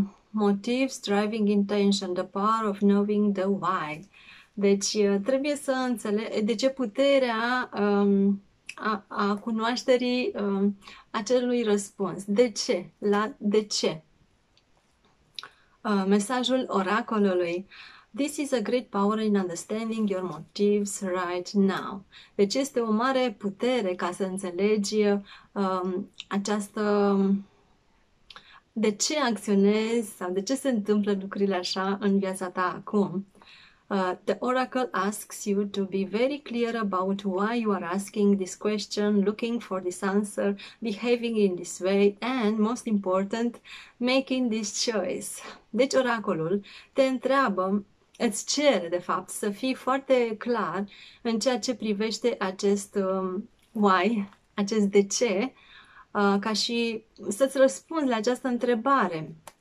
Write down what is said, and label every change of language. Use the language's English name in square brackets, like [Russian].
[English] Motives, driving intention, the power of knowing the why. [Romanian] Deci, trebuie să înțeleg de ce puterea a cunoașterii acelui răspuns. De ce? La de ce? Mesajul oracolului. [English] This is a great power in understanding your motives right now. [Romanian] Deci, este o mare putere ca să înțelegi această... De ce acționezi sau de ce se întâmplă lucrurile așa în viața ta acum? [English] The oracle asks you to be very clear about why you are asking this question, looking for this answer, behaving in this way and, most important, making this choice. [Romanian] Deci oracolul te întreabă, îți cere de fapt să fii foarte clar în ceea ce privește acest why, acest de ce, ca și să-ți răspund la această întrebare.